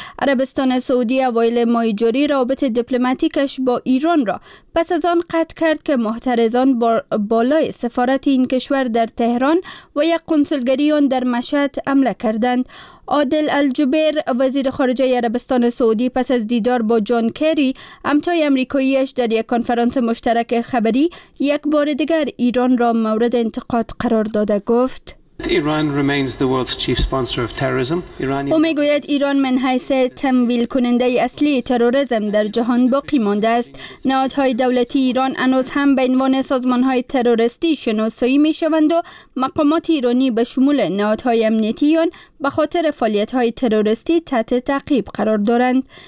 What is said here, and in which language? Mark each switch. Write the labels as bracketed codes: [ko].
[fa] عربستان سعودی اوایل ماه جاری رابط دیپلماتیکش با ایران را پس از آن قطع کرد که معترضان بالای سفارت این کشور در تهران و یک قنصلگری آن در مشهد حمله کردند. عادل الجبیر وزیر خارجه عربستان سعودی پس از دیدار با جان کری همتای آمریکاییش در یک کنفرانس مشترک خبری یک بار دیگر ایران را مورد انتقاد قرار داده گفت: [en] Iran remains the world's chief sponsor of terrorism. Iranian... [fa] او میگوید ایران من حیث تمویل کننده اصلی تروریسم در جهان باقی مانده است. نهادهای دولتی ایران هنوز هم به عنوان سازمانهای تروریستی شناسایی میشوند و مقامات ایرانی به شمول نهادهای امنیتی آن به خاطر فعالیت‌های تروریستی تحت تعقیب قرار دارند.